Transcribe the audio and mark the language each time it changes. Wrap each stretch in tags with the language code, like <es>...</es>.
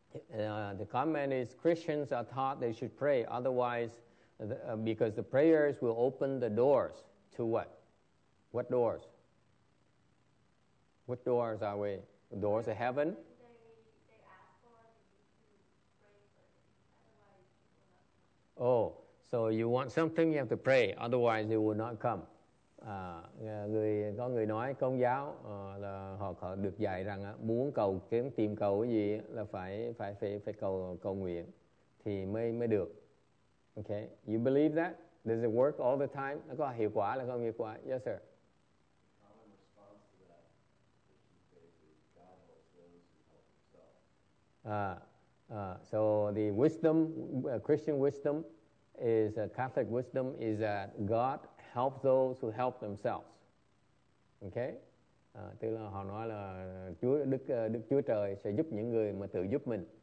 <en>The comment is Christians are taught they should pray, otherwise, because the prayers will open the doors to what? What doors? What doors are we? The doors of heaven? Oh, so you want something, you have to pray, otherwise it will not come.</en> <vi>Người nói công giáo là họ được dạy rằng muốn cầu kiếm tìm cầu cái gì là phải cầu nguyện thì mới được.</vi> <en>Okay, you believe that? Does it work all the time?</en> <vi>Nó có hiệu quả là không hiệu quả?</vi> <en>Yes sir. So the wisdom, Christian wisdom is Catholic wisdom is that God help those who help themselves. Okay?</en> <vi>Tức là họ nói là Đức Chúa Trời sẽ giúp những người mà tự giúp mình.</vi>